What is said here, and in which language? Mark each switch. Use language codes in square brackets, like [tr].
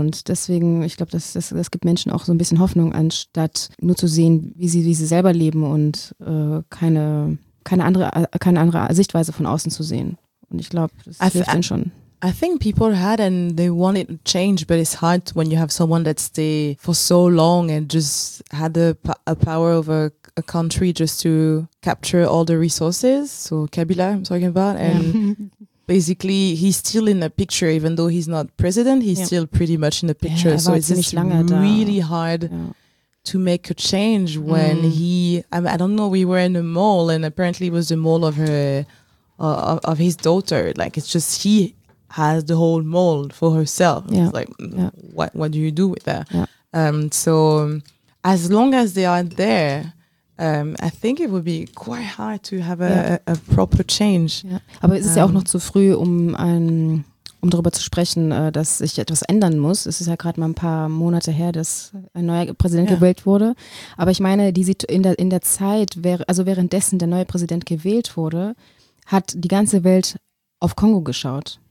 [de] Und deswegen, ich glaube, das gibt Menschen auch so ein bisschen Hoffnung, anstatt nur zu sehen, wie sie selber leben und keine andere Sichtweise von außen zu sehen. Und ich glaube, das hilft ihnen schon. [en] I think people had and they wanted change, but it's hard when you have someone that stayed for so long and just had a power over a country just to capture all the resources. So Kabila, I'm talking about. And basically, he's still in the picture, even though he's not president, he's still pretty much in the picture. Yeah, so it's just really hard to make a change when I don't know, we were in a mall and apparently it was the mall of his daughter. Like, it's just he has the whole mold for herself. Yeah. It's like, what do you do with that? Yeah. So as long as they are there, I think it would be quite hard to have a proper change. Yeah. [de] Aber es ist ja auch noch zu früh, um darüber zu sprechen, dass sich etwas ändern muss. Es ist ja gerade mal ein paar Monate her, dass ein neuer Präsident gewählt wurde. Aber ich meine, in der Zeit, also währenddessen der neue Präsident gewählt wurde, hat die ganze Welt auf Kongo geschaut.